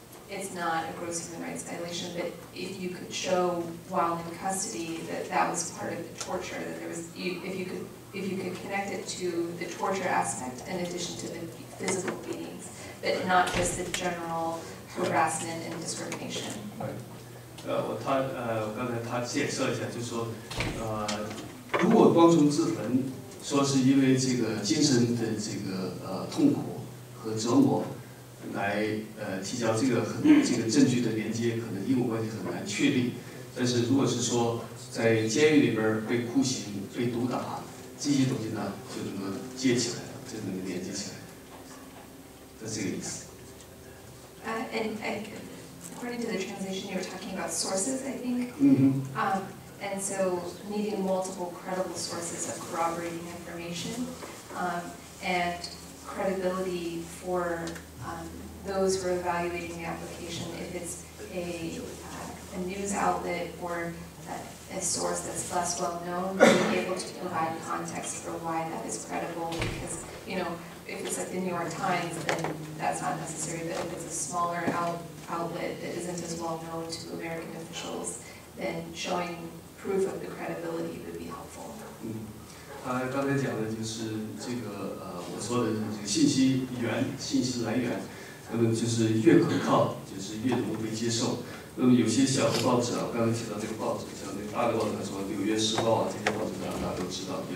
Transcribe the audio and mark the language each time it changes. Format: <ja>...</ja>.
<en>It's not a gross human rights violation, but if you could show while in custody that was part of the torture, that there was, if you could connect it to the torture aspect in addition to the physical beatings, but not just the general harassment and discrimination. Right.</en> <zh>我刚才介绍一下，就说，如果光从自焚。说是因为这个精神的这个痛苦和折磨来提交这个证据的连接，可能因果关系很难确立。但是如果是说在监狱里边被酷刑、被毒打这些东西呢，就能够接起来，就能够连接起来，是这个意思。</zh> <en>And according to the translation, you're talking about sources, I think. Mm-hmm. And so needing multiple credible sources of corroborating information and credibility for those who are evaluating the application, if it's a outlet or a source that's less well-known, being able to provide context for why that is credible, because, you know, if it's like the New York Times, then that's not necessary, but if it's a smaller outlet that isn't as well-known to American officials, then showing proof of the credibility would be helpful.</en> <zh>他刚才讲的就是这个我说的这个信息源、信息来源，那么就是越可靠，就是越能够被接受。那么有些小的报纸啊，刚才提到这个报纸，像那个大的报纸，什么《纽约时报》啊，这些报纸大家都知道。</zh>